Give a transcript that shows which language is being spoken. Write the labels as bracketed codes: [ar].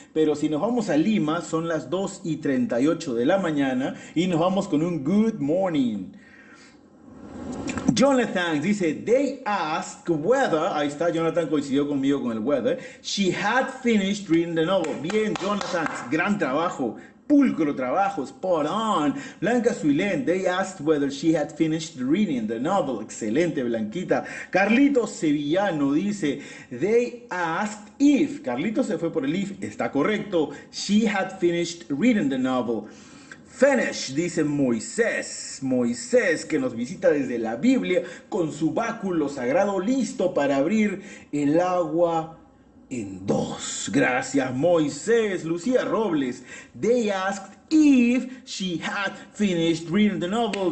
[es] Pero si nos vamos a Lima, son las 2 y 38 de la mañana y nos vamos con un [en] good morning. [es] Jonathan dice, [en] they ask whether, [es] ahí está, Jonathan coincidió conmigo con el weather, [en] she had finished reading the novel. [es] Bien, Jonathan, gran trabajo, pulcro trabajo, [en] spot on. Blanca Suilén, they asked whether she had finished reading the novel. [es] Excelente, Blanquita. Carlito Sevillano dice, [en] they asked if, [es] Carlito se fue por el if, está correcto, [en] she had finished reading the novel. [es] Finish, dice Moisés, Moisés que nos visita desde la Biblia con su báculo sagrado listo para abrir el agua en dos. Gracias, Moisés. [en] Lucía Robles, they asked if she had finished reading the novel.